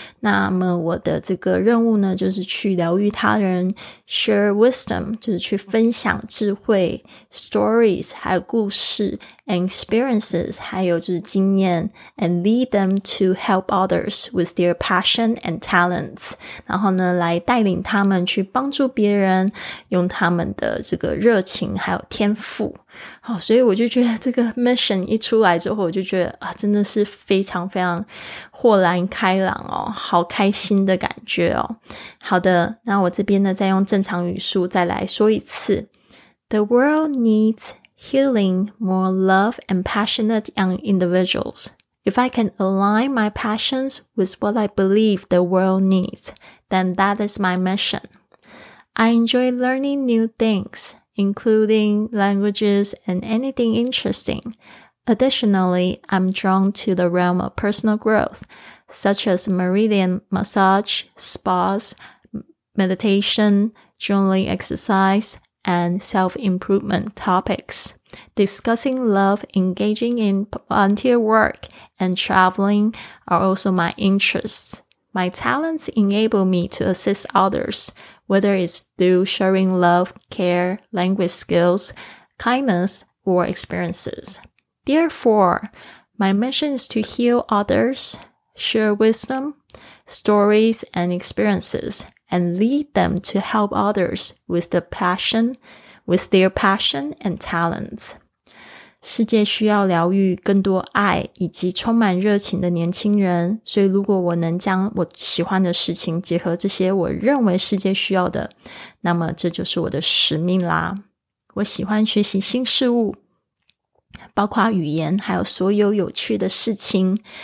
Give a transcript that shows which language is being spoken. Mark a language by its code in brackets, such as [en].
[zh] 那么我的这个任务呢就是去疗愈他人 [en] share wisdom, [zh] 就是去分享智慧 stories, 还有故事experiences 还有就是经验 [en] and lead them to help others with their passion and talents [zh] 然后呢来带领他们去帮助别人用他们的这个热情还有天赋好所以我就觉得这个 mission 一出来之后我就觉得啊，真的是非常非常豁然开朗哦好开心的感觉哦好的那我这边呢再用正常语速再来说一次 [en] The world needs healing more love and passionate young individuals. If I can align my passions with what I believe the world needs, then that is my mission. I enjoy learning new things, including languages and anything interesting. Additionally, I'm drawn to the realm of personal growth, such as meridian massage, spas, meditation, journaling exercise, and self-improvement topics. Discussing love, engaging in volunteer work, and traveling are also my interests. My talents enable me to assist others, whether it's through sharing love, care, language skills, kindness, or experiences. Therefore, my mission is to heal others, share wisdom, stories, and experiences, and lead them to help others with the passion,with their passion and talents. [zh] 世界需要疗愈更多爱以及充满热情的年轻人，所以如果我能将我喜欢的事情结合这些我认为世界需要的，那么这就是我的使命啦。我喜欢学习新事物，包括语言，还有所有有趣的事情。